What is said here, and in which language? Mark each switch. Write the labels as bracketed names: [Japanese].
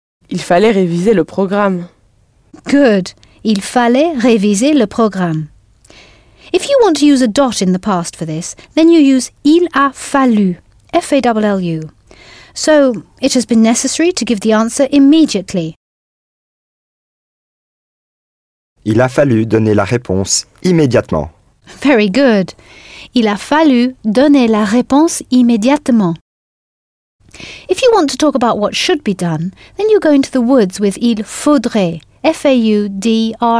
[French] Il fallait réviser le programme. Good, il fallait réviser le programme. [English] If you want to use a dot in the past for this, then you use il a fallu, F-A-L-L-U. So, it has been necessary to give the answer immediately. [French] Il a fallu donner la réponse immédiatement. [English] Very good. [French] Il a fallu donner la réponse immédiatement. [English] If you want to talk about what should be done, then you go into the woods with il faudrait, F-A-U-D-R-A-I-T.